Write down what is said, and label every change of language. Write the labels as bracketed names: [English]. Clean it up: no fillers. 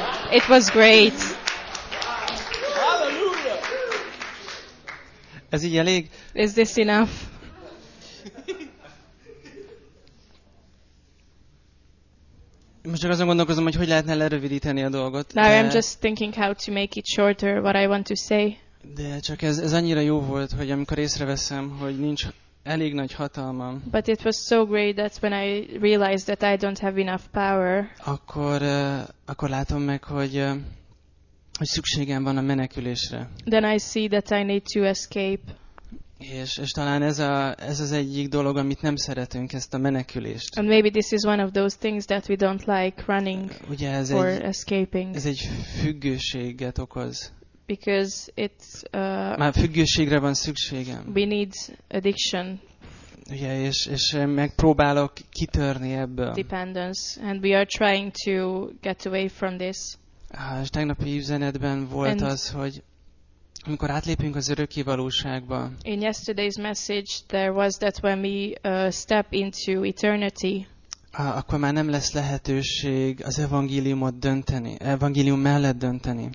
[English] It was great. Hallelujah. [Hungarian] Ez így elég? [English] Is this enough? [Hungarian] Most csak azon gondolkozom, hogy hogy lehetne lerövidíteni a dolgot. [English] Now I'm just thinking how to make it shorter, what I want to say. [Hungarian] De csak ez annyira jó volt, hogy amikor észreveszem, hogy nincs elég nagy hatalmam. [English] But it was so great that when I realized that I don't have enough power. [Hungarian] Akkor látom meg, hogy szükségem van a menekülésre. [English] Then I see that I need to escape. [Hungarian] És talán ez az egyik dolog, amit nem szeretünk, ezt a menekülést. [English] And maybe this is one of those things that we don't like, running or escaping. [Hungarian] Ez egy függőséget okoz. [English] Because it's [Hungarian] már függőségre van szükségem. [English] We need addiction. [Hungarian] Ugye, és megpróbálok kitörni ebből. [English] Dependence, and we are trying to get away from this. [Hungarian] És tegnapi üzenetben volt az, hogy amikor átlépünk az örökké valóságba. [English] In yesterday's message there was that when we step into eternity. [Hungarian] Akkor már nem lesz lehetőség az evangéliumot dönteni, evangélium mellett dönteni.